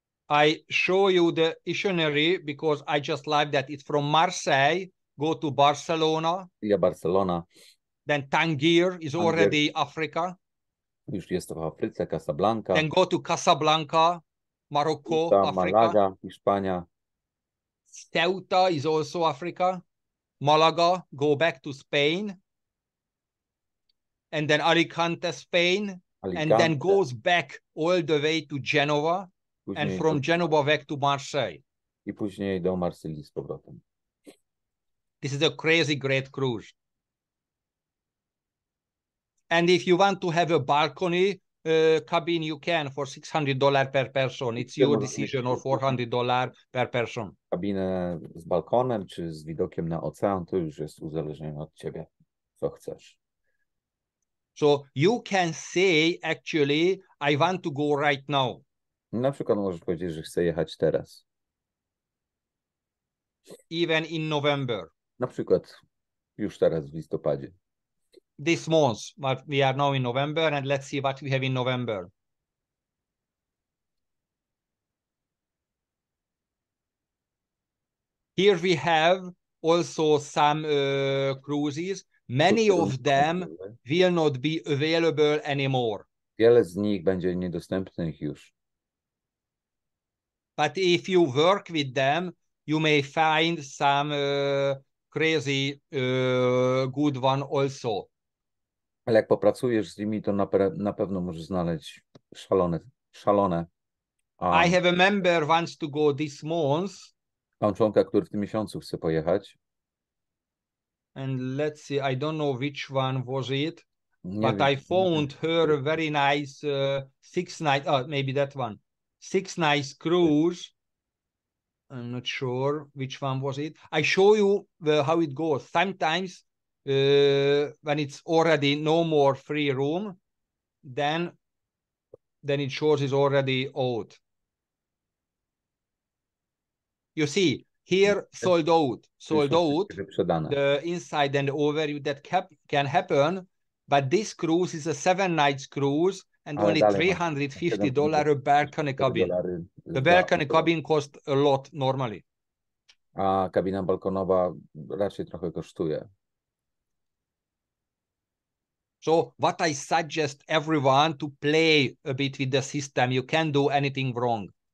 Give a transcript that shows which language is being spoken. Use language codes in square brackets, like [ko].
[en] I show you the itinerary because I just like that. It's from Marseille, go to Barcelona. Yeah, Barcelona. Then Tangier is already Africa. [pl] Już jest to w Afryce, Casablanca. [en] Then go to Casablanca, Morocco, Ceuta, Africa. [pl] Malaga, Hiszpania. [en] Ceuta is also Africa. Malaga, go back to Spain. And then Alicante, Spain. And then Alicante. Goes back all the way to Genova. [pl] Później [en] And from Genova back to Marseille. [pl] I później do Marsylii z powrotem. [en] This is a crazy great cruise. And if you want to have a balcony cabin, you can for $600 per person. It's your decision, or $400 per person. [pl] Kabinę z balkonem czy z widokiem na ocean, to już jest uzależnione od ciebie, co chcesz. [en] So you can say actually, I want to go right now. [pl] Na przykład możesz powiedzieć, że chcę jechać teraz. [en] Even in November. [pl] Na przykład już teraz w listopadzie. [en] This month, but we are now in November, and let's see what we have in November. Here we have also some cruises. Many of them will not be available anymore. [pl] Wiele z nich będzie niedostępnych już. [en] But if you work with them, you may find some crazy good one also. [pl] Ale jak popracujesz z nimi, to na pewno możesz znaleźć szalone. [en] I have a member wants to go this month. [pl] Mam członka, który w tym miesiącu chce pojechać. [en] And let's see, I don't know which one was it, [pl] nie [en] but [pl] wiem, [en] I found her a very nice six-night, oh, maybe that one, six-night cruise. I'm not sure which one was it. I show you how it goes. Sometimes when it's already no more free room, then it shows it's already out. You see, here sold out, the inside and the overview that can happen, but this cruise is a 7 nights cruise and [pl] ale [en] only [pl] dalej, [en] $350 a balcony cabin. The balcony cabin cost a lot normally. [pl] A kabina balkonowa raczej trochę kosztuje. [en] So what I suggest everyone to play a bit with the system. You can do anything wrong.